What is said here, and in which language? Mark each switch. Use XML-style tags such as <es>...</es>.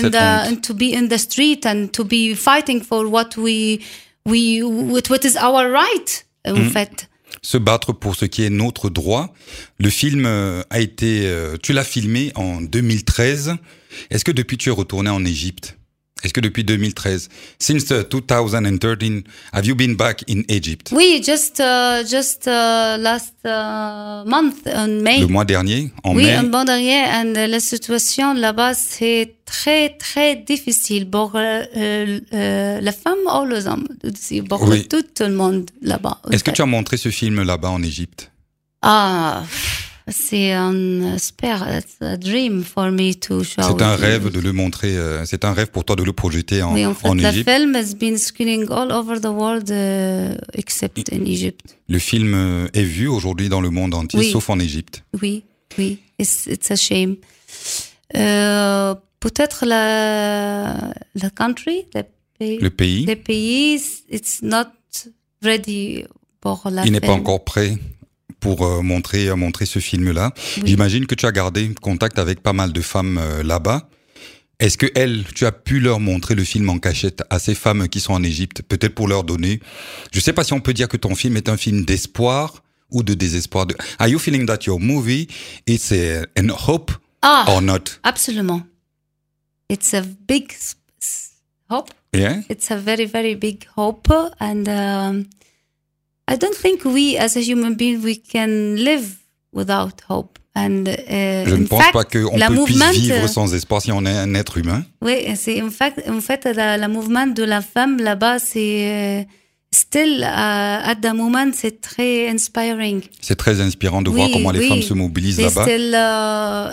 <en>be in the and to be in the street and to be fighting for what we what is our right</en> <fr>en fait. Se battre pour ce qui est notre droit. Le film a été tu l'as filmé en 2013. Est-ce que depuis tu es retourné en Égypte? Est-ce que depuis 2013,</fr> <en>since 2013, have you been back in Egypt? Oui, last month in May.</en> <fr>Le mois dernier, en oui, mai. Oui, un mois dernier, and la situation là-bas c'est très très difficile pour la femme ou les hommes, aussi pour oui. tout le monde là-bas. Est-ce que tu as montré ce film là-bas en Égypte?</fr> <en>Ah. It's a dream for me to show.</en> <fr>C'est un rêve de le montrer. C'est un rêve pour toi de le projeter en Égypte.</fr> <en>The film has been screening all over the world, except in Egypt.</en> <fr>Le film est vu aujourd'hui dans le monde entier, oui. sauf en Égypte. Oui, oui.</fr> <en>It's a shame.</en> <fr>Peut-être la country, le pays. Le pays,</fr> <en>it's not ready</en> <fr>pour la. Il film. N'est pas encore prêt. Pour montrer ce film-là. Oui. J'imagine que tu as gardé contact avec pas mal de femmes là-bas. Est-ce que elles, tu as pu leur montrer le film en cachette à ces femmes qui sont en Égypte, peut-être pour leur donner... Je ne sais pas si on peut dire que ton film est un film d'espoir ou de désespoir.</fr> <en>Are you feeling that your movie is an hope or not? Absolument. It's a big hope. Yeah? It's a very, very big hope. And... I don't think we, as a human being, we can live without hope. And</en> <fr>je ne pense pas que on puisse vivre sans espoir si on est un être humain. Oui, c'est en fait, la mouvement de la femme là-bas, c'est</fr> <en>still at the moment,</en> <fr>c'est très inspiring. C'est très inspirant de voir comment les femmes se mobilisent là-bas.</fr>